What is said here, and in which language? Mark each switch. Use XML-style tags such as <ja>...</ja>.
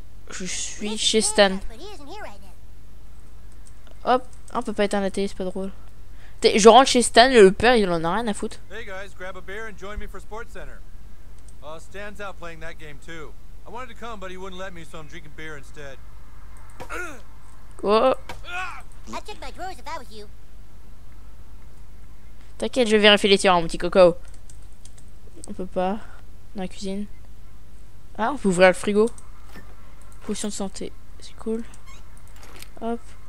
<fr>Je suis chez Stan. Hop. On peut pas éteindre la télé, c'est pas drôle. Je rentre chez Stan, le père il en a rien à foutre.</fr> <en>Hey guys, grab a beer and join me for Sports Center. Stan's out playing that game too. I wanted to come, but he wouldn't let me, so I'm drinking beer instead. Oh. I'd check my drawers if I was you.</en> <fr>T'inquiète, je vais vérifier les tiroirs, mon petit coco. On peut pas. Dans la cuisine. Ah, on peut ouvrir le frigo. Potion de santé. C'est cool. Hop.</fr>